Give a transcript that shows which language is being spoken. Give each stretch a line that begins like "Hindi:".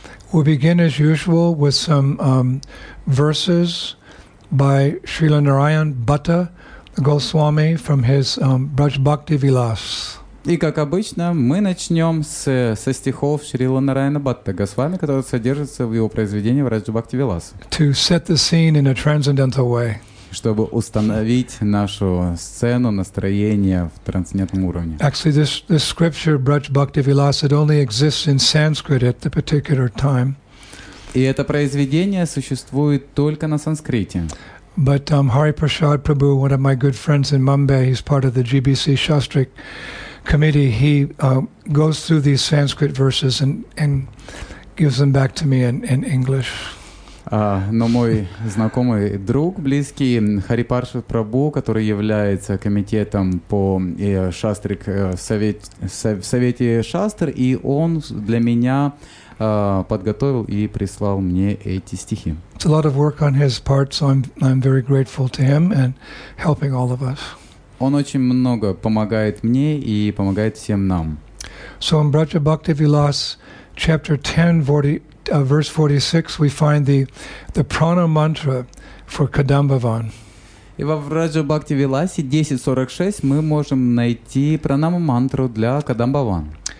English: We begin as usual with some verses by Srila Narayan Bhatta Goswami from his Braj Bhakti Vilas.
Russian: И как обычно, мы начнем со стихов Шрилы Нараяна Бхатта Госвами, которые содержатся в его произведении Braj Bhakti Vilas.
English: To set the scene in a transcendental way.
Russian: Чтобы установить нашу сцену, настроение в трансцендентном уровне.
English: Actually, this scripture, Braj Bhakti Vilas, it only exists in Sanskrit at the particular time.
Russian: И это произведение существует только на санскрите.
English: But Hari Prasad Prabhu, one of my good friends in Mumbai, he's part of the GBC Shastric Committee, he goes through these Sanskrit verses and gives them back to me in English.
Russian: Но мой знакомый друг, близкий, Хари Паршад Прабху, который является комитетом по Шастрик, Совете Шастр, и он для меня подготовил и прислал мне эти стихи.
English: It's a lot of work on his part, so I'm very grateful to him and helping all of us.
Russian: Он очень много помогает мне и помогает всем нам.
English: So in Braj Bhakti Vilas, chapter 10, verse 46, we find the prana mantra for Kadambavan.
Russian: И во Враджа Бхакти Виласе 10.46 мы можем найти пранама мантру для Кадамбаван.